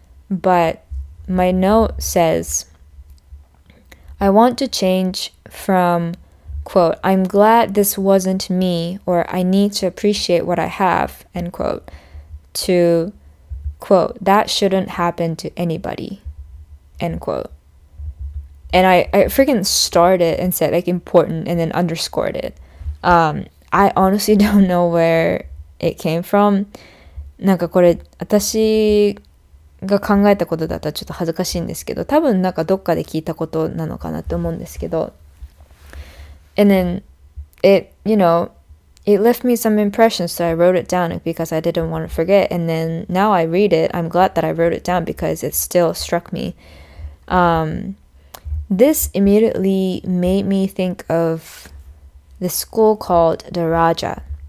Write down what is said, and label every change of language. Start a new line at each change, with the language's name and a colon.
English: But my note says, I want to change from, quote, I'm glad this wasn't me, or I need to appreciate what I have, end quote, to, quote, that shouldn't happen to anybody, end quote. And I freaking started and said, like, important, and then underscored it. I honestly don't know where it came from.
Japanese: なんかこれ、私が考えたことだったらちょっと恥ずかしいんですけど、多分なんかどっかで聞いたことなのかなって思うんですけど。
English: And then, it left me some impressions, so I wrote it down because I didn't want to forget. And then, now I read it, I'm glad that I wrote it down because it still struck me. This immediately made me think of the school called Daraja.